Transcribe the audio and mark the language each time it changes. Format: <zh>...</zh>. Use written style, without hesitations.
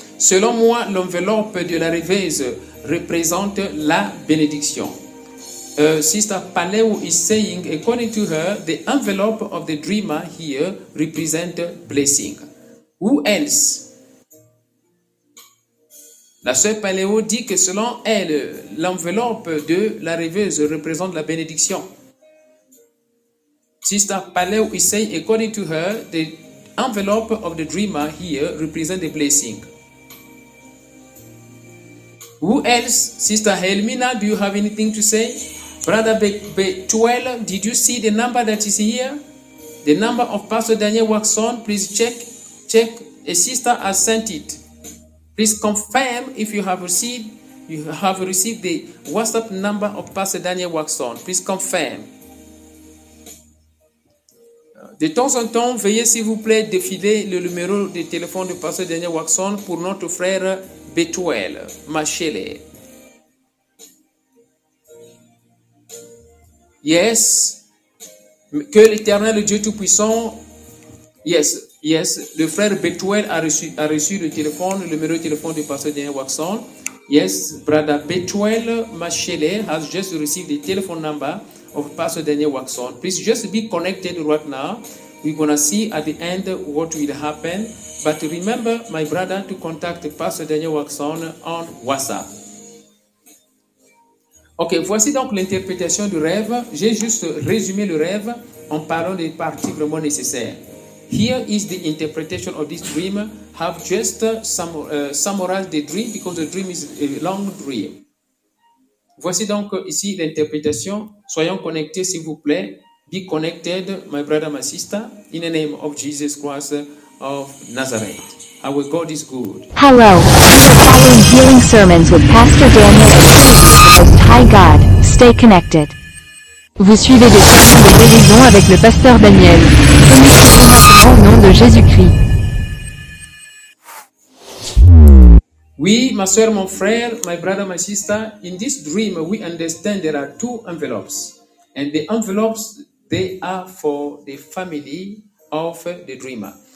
<fr>Selon moi, l'enveloppe de la rêveuse représente la bénédiction.</fr> <en>Sister Paléo is saying, according to her, the envelope of the dreamer here represents blessing. Who else?</en> <fr>La sœur Paléo dit que selon elle, l'enveloppe de la rêveuse représente la bénédiction.</fr> <en>Sister Paléo is saying, according to her, the envelope of the dreamer here represents the blessing. Who else? Sister Helmina, do you have anything to say? Brother Betuel, did you see the number that is here? The number of Pastor Daniel Waxon, please check. A sister has sent it. Please confirm if you have received the WhatsApp number of Pastor Daniel Waxon. Please confirm.</en> <fr>De temps en temps, veuillez s'il vous plaît défiler le numéro de téléphone de Pasteur Daniel Waxon pour notre frère Betuel, Machele. Yes. Que l'Éternel Dieu Tout-Puissant. Yes. Le frère Betuel a reçu le numéro de téléphone de Pasteur Daniel Waxon.</fr> <en>Yes. Brother Betuel Machele has just received the telephone number of Pastor Daniel Waxon. Please just be connected right now. We're going to see at the end what will happen. But remember, my brother, to contact Pastor Daniel Waxon on WhatsApp.</en> <fr>Ok, voici donc l'interprétation du rêve. J'ai juste résumé le rêve en parlant des parties vraiment nécessaires.</fr> <en>Here is the interpretation of this dream. Have just summarized the dream because the dream is a long dream.</en> <fr>Voici donc ici l'interprétation. Soyons connectés, s'il vous plaît.</fr> <en>Be connected, my brother, my sister, in the name of Jesus Christ of Nazareth. Our God is good. Hello. We are following healing sermons with Pastor Daniel and the Most High God. Stay connected.</en> <fr>Vous suivez des sermons de guérison avec le Pasteur Daniel. Connectez-vous maintenant au nom de Jésus-Christ. Oui, ma soeur, mon frère,</fr> <en>my brother, my sister, in this dream, we understand there are two envelopes. And the envelopes, they are for the family of the dreamer.</en>